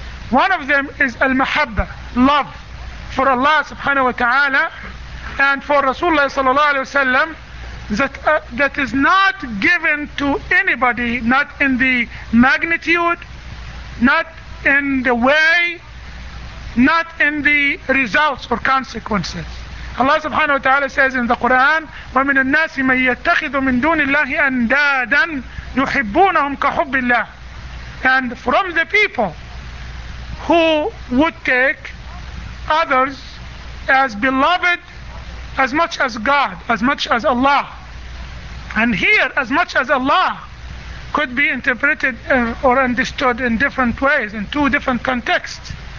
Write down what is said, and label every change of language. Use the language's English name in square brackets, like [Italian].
[English] One of them is al-mahabba, love for Allah subhanahu wa ta'ala and for Rasulullah sallallahu alayhi wa sallam, that is not given to anybody, not in the magnitude, not in the way, not in the results or consequences. [Arabic] Allah subhanahu wa ta'ala says in the Quran, وَمِنَ النَّاسِ مَنْ يَتَّخِذُ مِنْ دُونِ اللَّهِ أَنْدَادًا يُحِبُّونَهُمْ كَحُبِّ اللَّهِ. [English] And from the people who would take others as beloved as much as God, as much as Allah. And here, as much as Allah could be interpreted or understood in different ways, in two different contexts.